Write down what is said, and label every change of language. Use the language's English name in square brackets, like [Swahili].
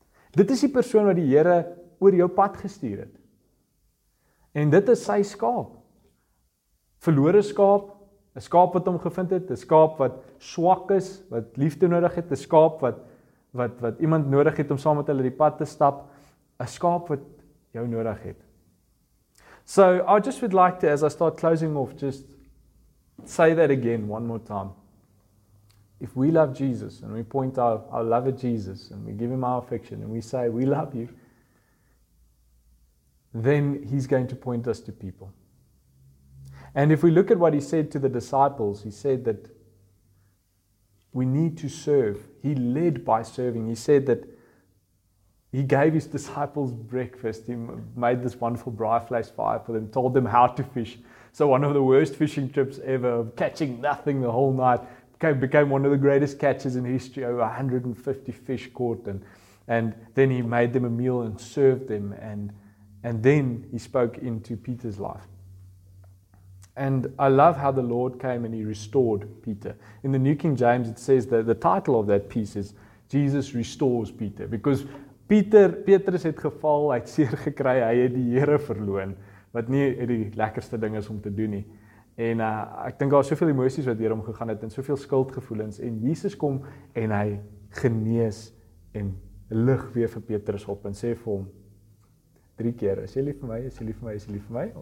[Afrikaans] Dit is die persoon wat die Here oor jou pad gestuur het. En dit is sy skaap. Verlore skaap, 'n skaap wat hom gevind het, 'n skaap wat swak is, wat liefde nodig het, 'n skaap wat iemand nodig het om saam met hulle die pad te stap, 'n skaap wat jou nodig het. [English] So, I just would like to, as I start closing off, just say that again one more time. If we love Jesus and we point our love at Jesus and we give him our affection and we say we love you, then he's going to point us to people. And if we look at what he said to the disciples, he said that we need to serve. He led by serving. He said that he gave his disciples breakfast. He made this wonderful braai vleis fire for them, told them how to fish. So one of the worst fishing trips ever, catching nothing the whole night, became one of the greatest catches in history, over 150 fish caught. And then he made them a meal and served them. And then he spoke into Peter's life. And I love how the Lord came and he restored Peter. In the New King James, it says that the title of that piece is Jesus Restores Peter. [Afrikaans] Because Petrus het geval, hy het seer gekry, hy het die Here verloon. Wat nie die lekkerste ding is om te doen nie. En ek dink daar is soveel emosies wat deur hom gegaan het en soveel skuldgevoelens. En Jesus kom en hy genees en lig weer vir Petrus op en sê vir hom 3 keer, as jy lief vir my, as jy lief vir my, as jy lief vir my.